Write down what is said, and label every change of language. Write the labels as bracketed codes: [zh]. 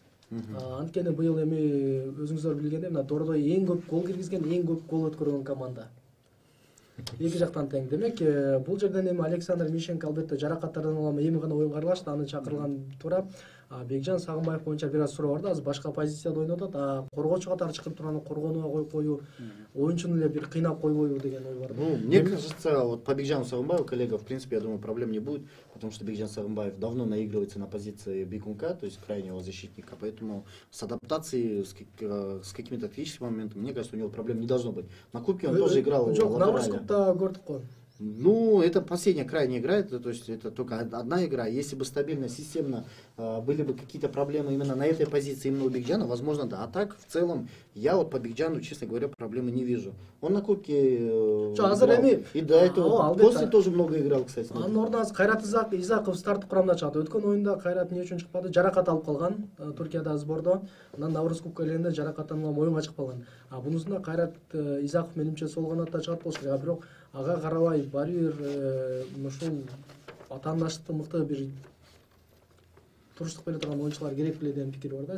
[ky] Анткени быйыл эми өзүңүздөр билгендей мына Дордой эң көп гол киргизген, эң көп гол өткөргөн команда. Эки жактан тең. Демек бул жерден эми Александр Мищенко албетте жаракаттардан улам эми гана оюнга аралашты, аны чакырган туура. Бекжан Сагынбаев боюнча бир аз суроо бар да, азыр башка позицияда ойноп атат. Коргоочу катары чыгып туруп аны коргонууга коюп коюу, оюнчуну эле бир кыйнап койбойбу деген ой бар. [ru] Ну, мне кажется, вот по Бекжану Сагынбаеву, коллега, в принципе, я думаю, проблем не будет, потому что Бекжан Сагынбаев давно наигрывается на позиции бегунка, то есть крайнего защитника, поэтому с адаптацией, с какими-то тактическими моментами, мне кажется, у него проблем не должно быть. На кубке он тоже играл латерально. На Урскуп-то Гордко. Ну, это последняя крайняя игра, то есть это только одна игра. Если бы стабильно, системно были бы какие-то проблемы именно на этой позиции, именно у Бекжана, возможно, да. А так, в целом, я вот по Бекжану, честно говоря, проблемы не вижу. Он на кубке играл. И до этого, после тоже много играл, кстати. [ky] А Нордан, Кайрат Изаков старт курамда чыгат. Өткөн оюнда Кайрат эмне үчүн чыкпады? Жаракат алып калган Туркияда сбордо. Анан Наурыз кубка келгенде жаракаттан улам оюнга чыкпай калган. А бунусунда Кайрат Изаков менимче сол канатта чыгат болчу керек. Бирок ага карабай баары бир ушул атаандаштыкты мыкты бир туруштук бере турган оюнчулар керек беле деген пикир бар да.